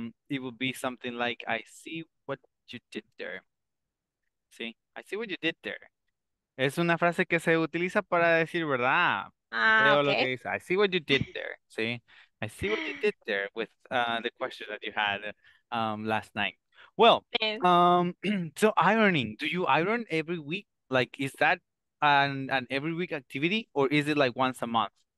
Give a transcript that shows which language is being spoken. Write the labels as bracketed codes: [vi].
[en] It would be something like, I see what you did there. Sí, I see what you did there. [es] Es una frase que se utiliza para decir, ¿verdad? Veo lo que dice. [en] I see what you did there. Sí, I see what you did there with the question that you had last night. Well, so ironing. Do you iron every week? Like, is that an every week activity or is it like once a month?